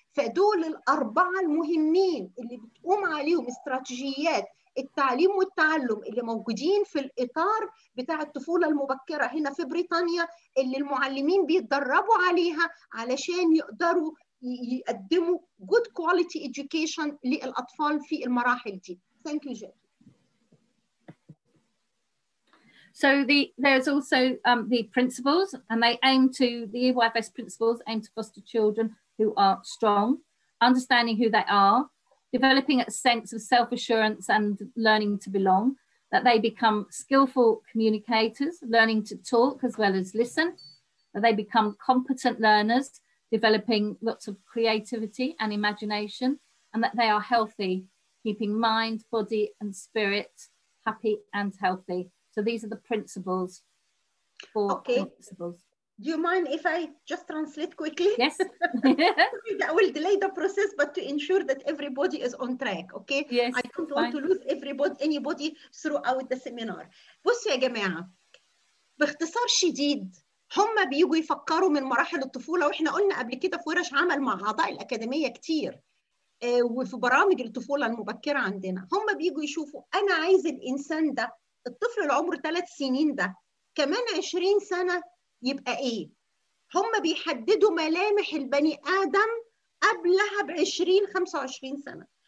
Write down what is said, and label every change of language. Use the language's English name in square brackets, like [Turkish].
[Arabic] فدول الأربعة المهمين اللي بتقوم عليهم استراتيجيات التعليم والتعلم اللي موجودين في الإطار بتاع الطفولة المبكرة هنا في بريطانيا، اللي المعلمين بيتدربوا عليها علشان يقدروا يقدموا [English] good quality education [Arabic] للأطفال في المراحل دي. [English] Thank you, Jackie. So there's also the principles, and they aim to, the EYFS principles aim to foster children who are strong, understanding who they are, developing a sense of self-assurance and learning to belong, that they become skillful communicators, learning to talk as well as listen, that they become competent learners, developing lots of creativity and imagination, and that they are healthy, keeping mind, body and spirit happy and healthy. So these are the principles. Four okay. Principles. Do you mind if I just translate quickly? Yes. That will delay the process, but to ensure that everybody is on track, okay? Yes, I don't want to lose anybody throughout the seminar. [Arabic] بصوا يا جماعة، باختصار شديد، هم بيجوا يفكروا من مراحل الطفولة، وإحنا قلنا قبل كده في ورش عمل مع أعضاء الأكاديمية كتير، وفي برامج الطفولة المبكرة عندنا، هم بيجوا يشوفوا أنا عايز الإنسان ده، الطفل اللي عمره 3 سنين ده، كمان 20 سنة يبقى إيه؟ هم بيحددوا ملامح البني آدم قبلها بعشرين 25 سنة.